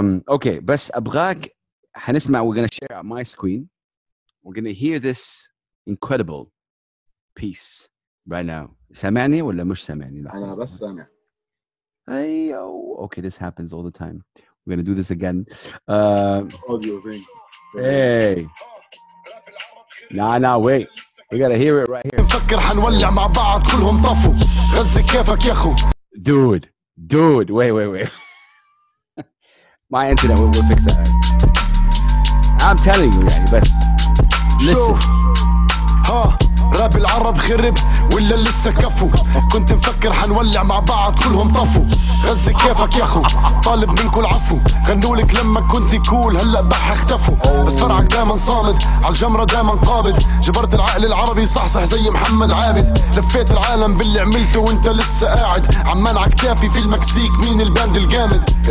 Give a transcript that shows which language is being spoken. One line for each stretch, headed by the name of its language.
English: Okay,
Arabic: بس أبغاك حنسمع.
English: We're gonna share my screen. We're gonna hear this incredible piece right now.
Arabic: سامعني ولا مش سامعني؟ أنا بس سامع. أيوه.
English: Okay, this happens all the time. We're gonna do this again. Audio thing. Hey. Nah, wait. We gotta hear it right here.
Arabic: نفكر حنولع مع بعض كلهم طفوا غزة كيفك يا اخو.
English: Dude, wait. My internet will fix that. I'm telling you
Arabic: يعني بس.
English: Listen.
Arabic: ها راب العرب خرب ولا لسه كفو كنت مفكر حنولع مع بعض كلهم طفوا غزة كيفك يا اخو طالب منكم العفو غنولك لما كنت كول هلا بح اختفوا بس فرعك دايما صامد عالجمرة دايما قابض جبرت العقل العربي صحصح زي محمد عابد لفيت العالم باللي عملته وانت لسه قاعد عمان عكتافي في المكسيك مين الباند الجامد